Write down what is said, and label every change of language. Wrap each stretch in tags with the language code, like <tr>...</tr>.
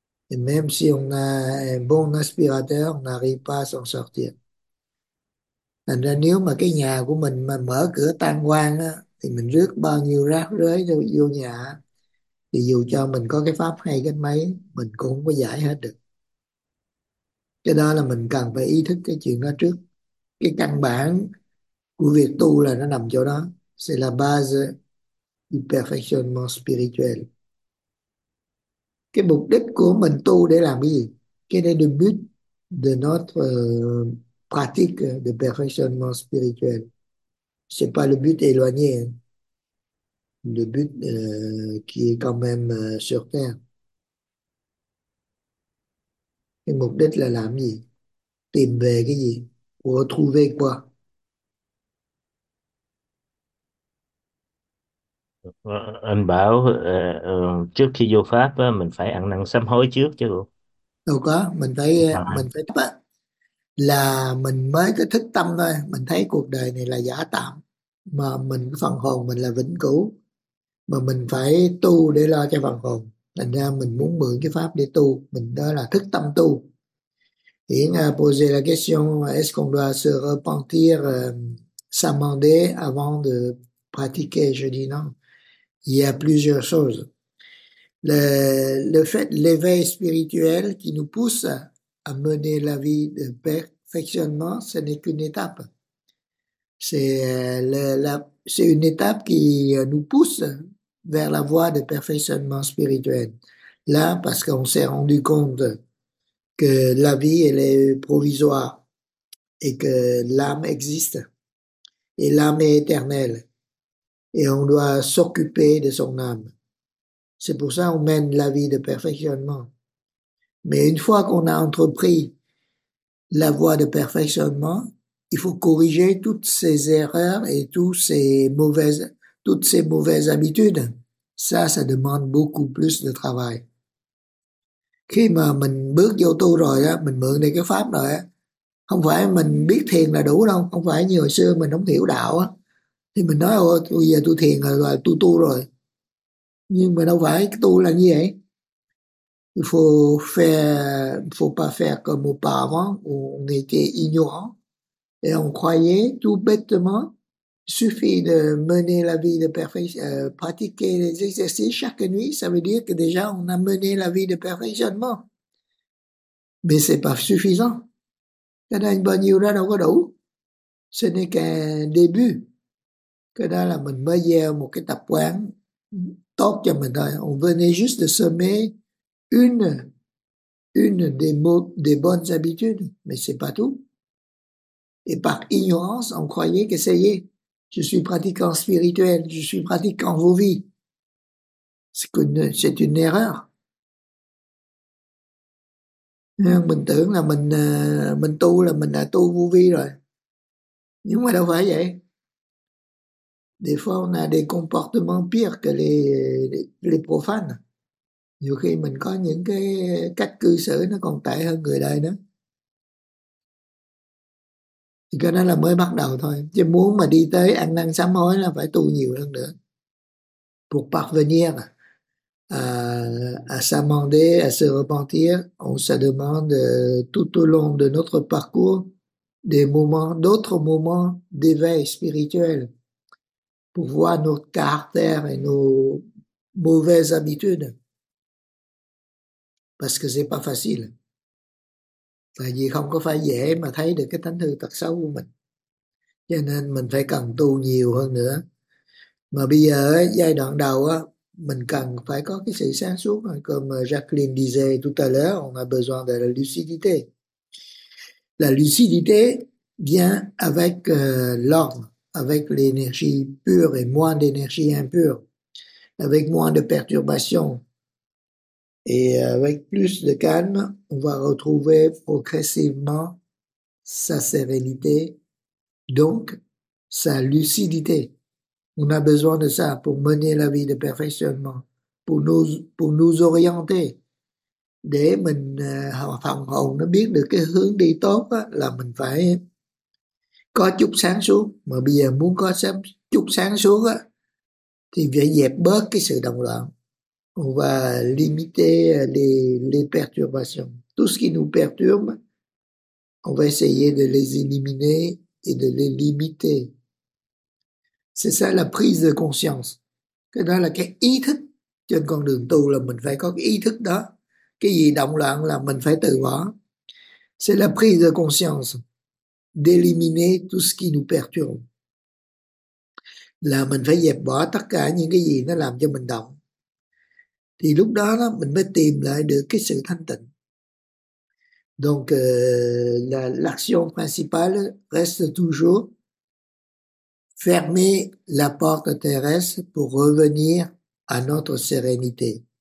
<fr>Et même si on a un bon aspirateur, on n'arrive pas à s'en sortir.</fr> <vi>Thành ra nếu mà cái nhà của mình mà mở cửa tam quan á, thì mình rước bao nhiêu rác rưởi vô nhà, thì dù cho mình có cái pháp hay cái mấy, mình cũng không có giải hết được. Cái đó là mình cần phải ý thức cái chuyện đó trước. Cái căn bản của việc tu là nó nằm chỗ đó.</vi> <fr>C'est la base du perfectionnement spirituel.</fr> <vi>Cái mục đích của mình tu để làm cái gì? Cái đây là</vi> <fr>but de notre pratique de perfectionnement spirituel. Ce n'est pas le but éloigné. Hein. Le but qui est quand même sur Terre.</fr> <vi>Et mục đích là làm gì? Tìm về cái gì?</vi> <fr>Pour retrouver quoi?</fr> <vi>Anh bảo trước khi vô pháp mình phải ăn năn sám hối trước chứ Đâu có, không phải. mình phải bắt là mình mới có thức tâm thôi, mình thấy cuộc đời này là giả tạm, mà mình phần hồn mình là vĩnh cửu, mà mình phải tu để lo cho phần hồn. Thành ra mình muốn mượn cái pháp để tu, mình đó là thức tâm tu.</vi> <fr>Hiện à, poser la question, est-ce qu'on doit se repentir, s'amender avant de pratiquer? Je dis non. Il y a plusieurs choses. Le fait, l'éveil spirituel qui nous pousse à mener la vie de perfectionnement, ce n'est qu'une étape. C'est une étape qui nous pousse vers la voie de perfectionnement spirituel. Là, parce qu'on s'est rendu compte que la vie, elle est provisoire et que l'âme existe et l'âme est éternelle et on doit s'occuper de son âme. C'est pour ça qu'on mène la vie de perfectionnement. Mais une fois qu'on a entrepris la voie de perfectionnement, il faut corriger toutes ces erreurs et toutes ces mauvaises habitudes. Ça demande beaucoup plus de travail.</fr> <vi>Khi mà mình bước vô tu rồi á, mình mượn đi cái pháp rồi á, không phải mình biết thiền là đủ đâu, không phải như hồi xưa mình không hiểu đạo á, thì mình nói ô tôi giờ tôi thiền rồi, tôi tu rồi. Nhưng mà đâu phải cái tu là như vậy.</vi> <fr>Faut pas faire comme auparavant où on était ignorant et on croyait tout bêtement, suffit de mener la vie de perfection, pratiquer les exercices chaque nuit, ça veut dire que déjà on a mené la vie de perfectionnement. Mais c'est pas suffisant.</fr> <vi>Cái đó bao nhiêu ra đâu có đủ.</vi> <fr>Ce n'est qu'un début.</fr> <vi>Cái đó là mình mới gieo một cái tập quán tốt cho mình thôi.</vi> <fr>On venait juste de semer une des bonnes habitudes, mais c'est pas tout. Et par ignorance, on croyait que ça y est, je suis pratiquant spirituel, je suis pratiquant vos vies. C'est une erreur.</fr> <vi>Mình tưởng là mình tu là mình đã tu vô vi rồi. Nhưng mà đâu phải vậy.</vi> <fr>Des fois, on a des comportements pires que les profanes.</fr> <vi>Nhiều khi mình có những cái cách cư xử nó còn tệ hơn người đời nữa. Thì cái đó là mới bắt đầu thôi. Chứ muốn mà đi tới ăn năn sám hối là phải tu nhiều hơn nữa.</vi> <fr>Pour parvenir à s'amender, à se repentir, on se demande tout au long de notre parcours des moments, d'autres moments d'éveil spirituel pour voir notre caractère et nos mauvaises habitudes. Parce que c'est pas facile.</fr> <vi>Tại vì không có phải dễ mà thấy được cái tánh hư tật xấu của mình. Cho nên mình phải cần tu nhiều hơn nữa. Mà bây giờ ấy, giai đoạn đầu á, mình cần phải có cái sự sáng suốt mà</vi> <fr>comme Jacqueline disait tout à l'heure, on a besoin de la lucidité. La lucidité vient avec l'ordre, avec l'énergie pure et moins d'énergie impure, avec moins de perturbations. Et avec plus de calme, on va retrouver progressivement sa sérénité, donc sa lucidité. On a besoin de ça pour mener la vie de perfectionnement, pour nous orienter.</fr> <vi>Để mình phòng hồn nó biết được cái hướng đi tốt đó, là mình phải có chút sáng suốt. Mà bây giờ muốn có chút sáng suốt đó, thì phải dẹp bớt cái sự động loạn và limiter les perturbations.</vi> <fr>Tout ce qui nous perturbe, on va essayer de les éliminer et de les limiter. C'est ça la prise de conscience.</fr> <vi>Cái đó là cái ý thức trên con đường tu, là mình phải có cái ý thức đó. Cái gì động loạn là mình phải từ bỏ.</vi> <fr>C'est la prise de conscience d'éliminer tout ce qui nous perturbe.</fr> <vi>Là mình phải dẹp bỏ tất cả những cái gì nó làm cho mình động. Thì lúc đó, đó mình mới tìm lại được cái sự thanh tịnh.</vi> <fr>Donc, l'action principale reste toujours fermer la porte terrestre pour revenir à notre sérénité.</fr>